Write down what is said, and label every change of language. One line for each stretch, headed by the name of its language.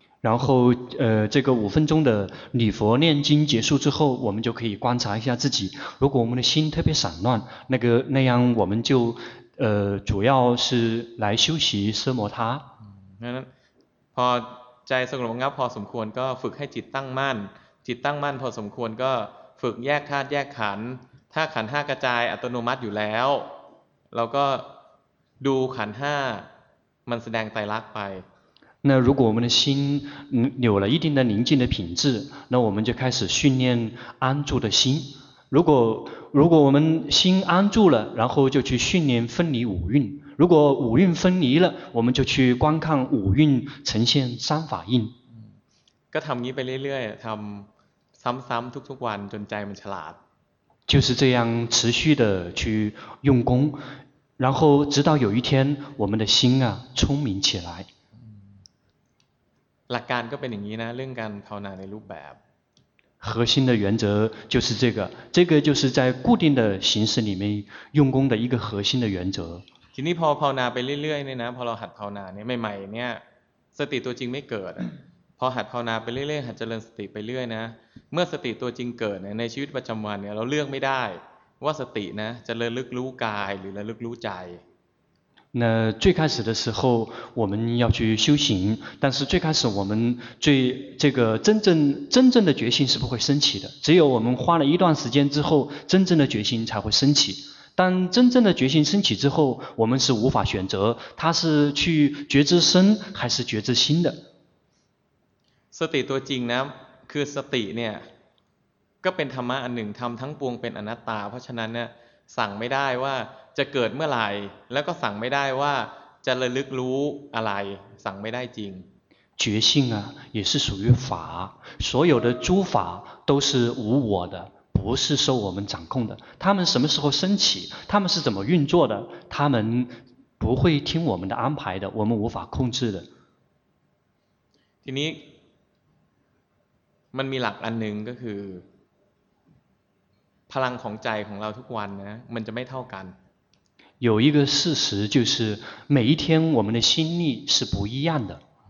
Chinese: 然后这个五分钟的礼佛念经结束之后我们就可以观察一下自己如果我们的心特别散乱那个那样我们就主要是来休息奢摩他
Thai: นั้นพอใจสงบงับพอสมควรก็ฝึกให้จิตตั้งมั่นจิตตั้งมั่นพอสมควรก็ฝึกแยกธาตุแยกขันธ์ถ้าขันธ์ 5กระจายอัตโนมัติอยู่แล้วเราก็ดูขันธ์ 5มันแสดงไตรลักษณ์ไป
Chinese: 那如果我们的心有了一定的宁静的品质那我们就开始训练安住的心如果我们心安住了然后就去训练分离五蕴如果五蕴分离了我们就去观看五蕴呈现三法印
Thai: ก็ทำนี้ไปเรื่อยๆทำซ้ำๆทุกๆวันจนใจมันฉลาด
Chinese: 就是这样持续的去用功然后直到有一天我们的心啊聪明起来
Thai: หลักการก็เป็นอย่างนี้นะเรื่องการภาวนาในรูปแบบ
Chinese: 核心的原则就是这个就是在固定的形式里面用功的一个核心的原则
Thai: ทีนี้พอภาวนาไปเรื่อยๆเนี่ยนะพอเราหัดภาวนาเนี่ยใหม่ๆเนี่ยสติตัวจริงไม่เกิดพอหัดภาวนาไปเรื่อยๆหัดเจริญสติไปเรื่อยนะเมื่อสติตัวจริงเกิดในชีวิตประจำวันเนี่ยเราเลือกไม่ได้ว่าสตินะจะระลึกรู้กายหรือระลึกรู้ใจ
Chinese: 那最开始的时候我们要去修行但是最开始我们最这个真正的决心是不会升起的只有我们花了一段时间之后真正的决心才会升起但真正的决心升起之后我们是无法选择它是去觉知身还是觉知心的
Thai: สติตัวจริงนะคือสติเนี่ยก็เป็นธรรมะอันหนึ่งธรรมทั้งปวงเป็นอนัตตาเพราะฉะนั้นเนี่ยสั่งไม่ได้ว่าจะเกิดเมื่อไรแล้วก็สั่งไม่ได้ว่าจะระลึกรู้อะไรสั่งไม่ได้จริง
Chinese: 觉性啊也是属于法所有的诸法都是无我的不是受我们掌控的他们什么时候升起他们是怎么运作的他们不会听我们的安排的我们无法控制的
Thai: ทีนี้มันมีหลักอันหนึ่งก็คือพลังของใจของเราทุกวันนะมันจะไม่เท่ากัน
Chinese: 有一个事实就是每一天我们的心力是不一样的